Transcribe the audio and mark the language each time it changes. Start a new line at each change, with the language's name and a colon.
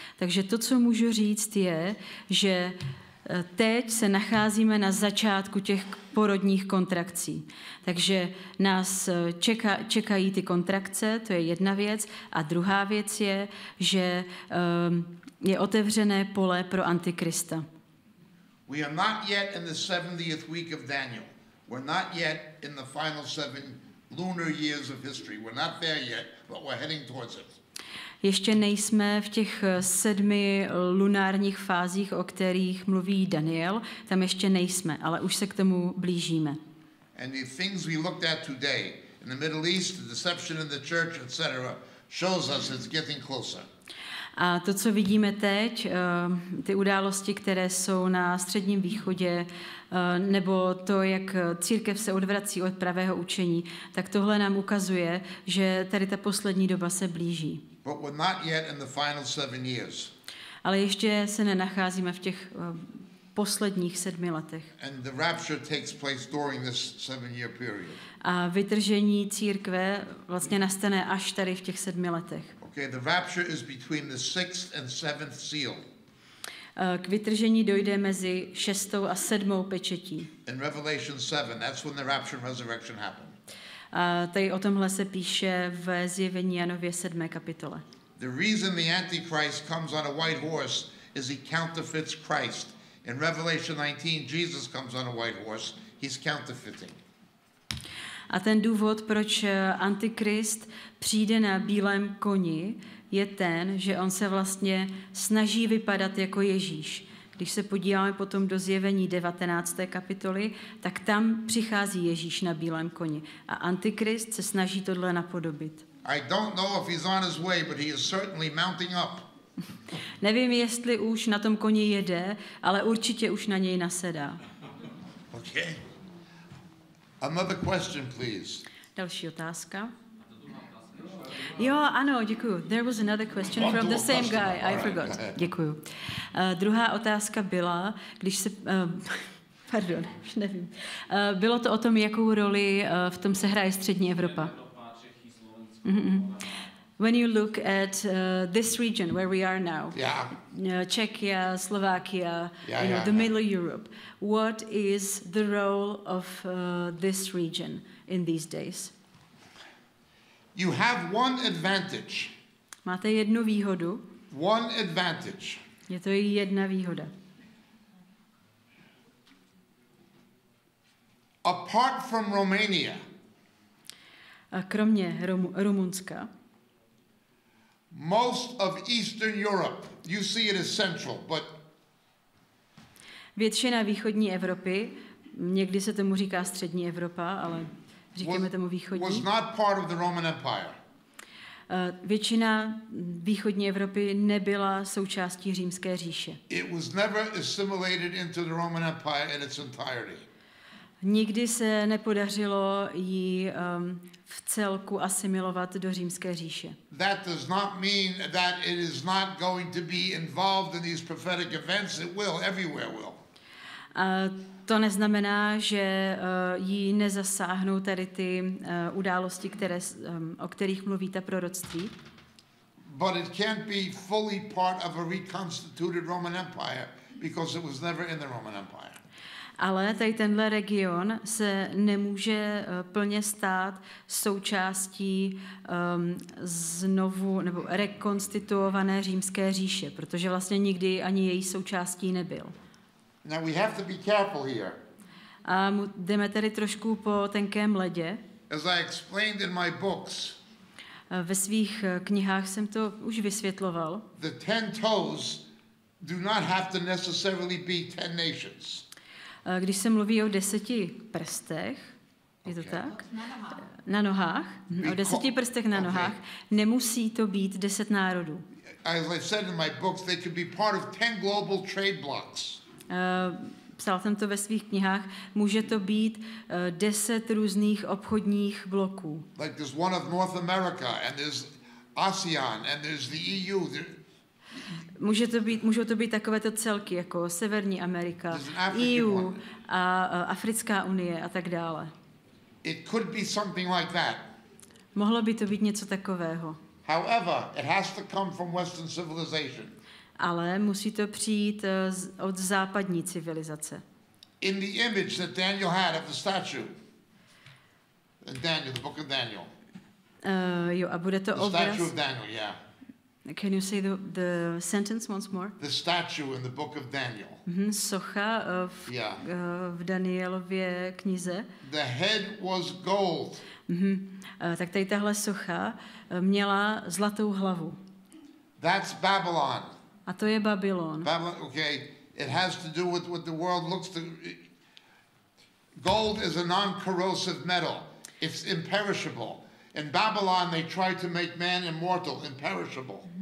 Czech: Takže to, co můžu říct, je, že teď se nacházíme na začátku těch porodních kontrakcí. Takže nás čekají ty kontrakce, to je jedna věc. A druhá věc je, že je otevřené pole pro Antikrista.
English: We are not yet in the 70th week of Daniel. We're not yet in the final 7 lunar years of history. We're not there yet, but we're heading towards it.
Czech: Ještě nejsme v těch 7 lunárních fázích, o kterých mluví Daniel. Tam ještě nejsme, ale už se k tomu blížíme.
English: And the things we looked at today in the Middle East, the deception in the church, etc., shows us it's getting closer.
Czech: A to, co vidíme teď, ty události, které jsou na Středním východě, nebo to, jak církev se odvrací od pravého učení, tak tohle nám ukazuje, že tady ta poslední doba se blíží.
English: But we're not yet in the final 7 years.
Czech: Ale ještě se nenacházíme v těch posledních 7 letech.
English: And the rapture takes place during this 7-year period.
Czech: A vytržení církve vlastně nastane až tady v těch 7 letech.
English: Okay, the rapture is between the 6th and 7th seal.
Czech: K vytržení dojde mezi 6. a 7. pečetí.
English: In Revelation 7, that's when the rapture and resurrection happen.
Czech: A tady o tomhle se píše ve Zjevení Janově 7. kapitole.
English: The reason the Antichrist comes on a white horse is he counterfeits Christ. In Revelation 19, Jesus comes on a white horse. He's counterfeiting.
Czech: A ten důvod, proč Antikrist přijde na bílém koni, je ten, že on se vlastně snaží vypadat jako Ježíš. Když se podíváme potom do Zjevení 19. kapitoly, tak tam přichází Ježíš na bílém koni a Antikrist se snaží tohle napodobit.
English: I don't know if he's on his way, but he is certainly mounting up.
Czech: Nevím, jestli už na tom koni jede, ale určitě už na něj nasedá.
English: Okay. Another question, please.
Czech: Další otázka. Jo, ano, děkuju.
English: There was another question from the same guy. I forgot.
Czech: Děkuju. Druhá otázka byla, když se... pardon, už nevím. Bylo to o tom, jakou roli v tom se hraje střední Evropa.
English: When you look at this region where we are now, Czechia, Slovakia, Middle Europe, what is the role of this region in these days? You have one advantage.
Czech: Máte jednu výhodu.
English: One advantage.
Czech: Je to jedna výhoda.
English: Apart from Romania.
Czech: A kromě Rumunska.
English: Most of Eastern Europe, you see it as central, but...
Czech: Většina východní Evropy, někdy se tomu říká střední Evropa, ale říkáme tomu východní.
English: Was not part of the Roman Empire.
Czech: Většina východní Evropy nebyla součástí Římské říše.
English: It was never assimilated into the Roman Empire in its entirety.
Czech: Nikdy se nepodařilo ji v celku asimilovat do Římské říše.
English: That does not mean that it is not going to be involved in these prophetic events. It will, everywhere will.
Czech: To neznamená, že ji nezasáhnou tady ty události, které, o kterých mluví ta proroctví.
English: But it can't be fully part of a reconstituted Roman Empire because it was never in the Roman Empire.
Czech: Ale tady tenhle region se nemůže plně stát součástí znovu nebo rekonstituované Římské říše, protože vlastně nikdy ani její součástí nebyl.
English: Now we have to be careful here.
Czech: A jdeme tady trošku po tenkém ledě.
English: As I explained in my books,
Czech: ve svých knihách jsem to už vysvětloval.
English: The ten toes do not have to necessarily be ten nations.
Czech: Když se mluví o deseti prstech, je to tak? Na nohách. O deseti prstech na nohách. Nemusí to být deset národů.
English: As I said in my books, they could be part of 10 global trade blocks.
Czech: Psal jsem to ve svých knihách. Může to být deset různých obchodních bloků.
English: Like there's one of North America, and there's ASEAN, and there's the EU.
Czech: Můžou to být takovéto celky, jako Severní Amerika, EU a Africká unie a tak dále.
English: It could be something like that.
Czech: Mohlo by to být něco takového.
English: However, it has to come from Western civilization.
Czech: Ale musí to přijít od západní civilizace.
English: In the image that Daniel had of the statue. Daniel, the book of Daniel.
Czech: Jo, a bude to
English: the
Czech: obraz...
English: statue of Daniel, yeah. Can you say the sentence once more? The statue in the book of Daniel.
Czech: Socha v Danielově knize.
English: The head was gold.
Czech: Tak tady tahle socha měla zlatou hlavu.
English: That's Babylon.
Czech: A to je Babylon.
English: Babylon, okay. It has to do with what the world looks to. Gold is a non-corrosive metal. It's imperishable. In Babylon, they tried to make man immortal, imperishable.